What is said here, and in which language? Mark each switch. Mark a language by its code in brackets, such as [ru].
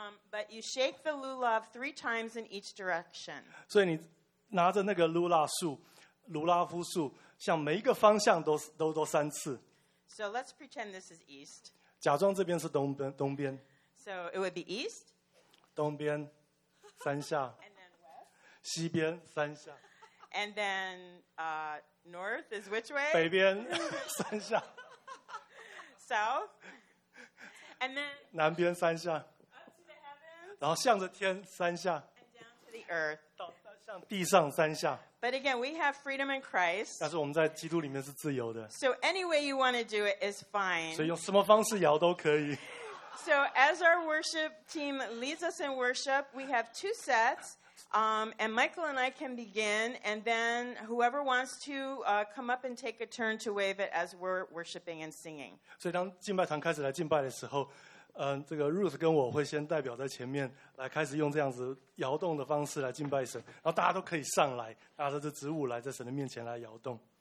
[en] But you shake the lulav three times in each direction. [zh] 所以你拿着那个卢拉树, 卢拉夫树, 向每一个方向都三次。 [en] So let's pretend this is east. [zh] 假装这边是东边。 [en] So it would be east. [zh] 东边，三下。 [en] And then west. [zh] 西边，三下。 [en] And then north is which way? [zh] 北边，三下。 [en] South. And then. [zh] 南边，三下。 [en] Up to the heavens. [zh] 然后向着天，三下。 [en] And down to the earth. [zh] 向地上，三下。 [en] But again, we have freedom in Christ. [zh] 但是我们在基督里面是自由的。 [en] So any way you want to do it is fine. [zh] 所以用什么方式摇都可以。 [en] So as our worship team leads us in worship, we have two sets, and Michael and I can begin, and then whoever wants to come up and take a turn to wave it as we're worshiping and singing. [zh] 所以当敬拜堂开始来敬拜的时候, 这个Ruth跟我会先代表在前面来开始用这样子摇动的方式来敬拜神, 然后大家都可以上来, 拿着这植物来在神的面前来摇动。